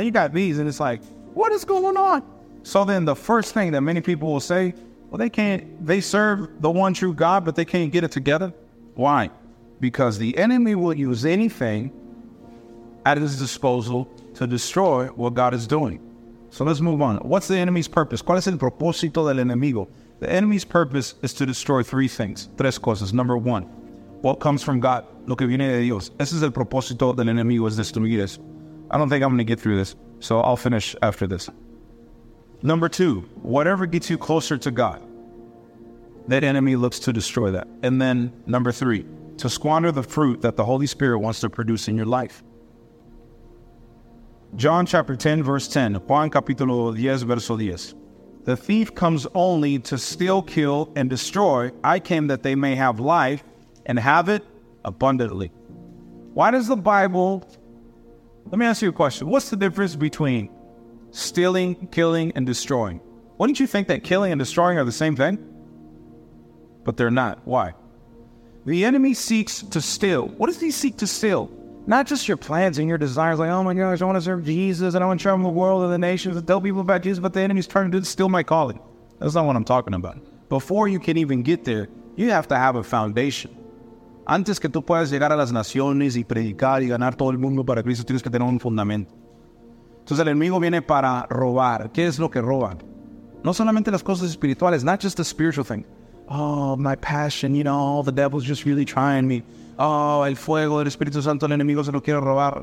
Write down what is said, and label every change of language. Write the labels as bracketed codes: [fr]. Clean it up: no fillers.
[en] Then you got these and it's like, what is going on? So then the first thing that many people will say, well, they serve the one true God, but they can't get it together. Why? Because the enemy will use anything at his disposal to destroy what God is doing. So let's move on. What's the enemy's purpose? [es] ¿Cuál es el propósito del enemigo? [en] The enemy's purpose is to destroy three things. [es] Tres cosas. [en] Number one, what comes from God? [es] Lo que viene de Dios. Ese es el propósito del enemigo, es destruir eso. [en] I don't think I'm going to get through this, so I'll finish after this. Number two, whatever gets you closer to God, that enemy looks to destroy that. And then number three, to squander the fruit that the Holy Spirit wants to produce in your life. John chapter 10, verse 10. [es] Juan capítulo 10, verso 10. [en] The thief comes only to steal, kill, and destroy. I came that they may have life and have it abundantly. Why does the Bible... Let me ask you a question. What's the difference between stealing, killing, and destroying? Wouldn't you think that killing and destroying are the same thing? But they're not. Why? The enemy seeks to steal. What does he seek to steal? Not just your plans and your desires, like, oh my gosh, I want to serve Jesus and I want to travel the world and the nations and tell people about Jesus, but the enemy's trying to steal my calling. That's not what I'm talking about. Before you can even get there, you have to have a foundation. [es] Antes que tú puedas llegar a las naciones y predicar y ganar todo el mundo para Cristo, tienes que tener un fundamento. Entonces el enemigo viene para robar. ¿Qué es lo que roba? No solamente las cosas espirituales, [en] not just the spiritual thing. Oh, my passion, you know, the devil's just really trying me. [es] Oh, el fuego del Espíritu Santo, el enemigo se lo quiere robar.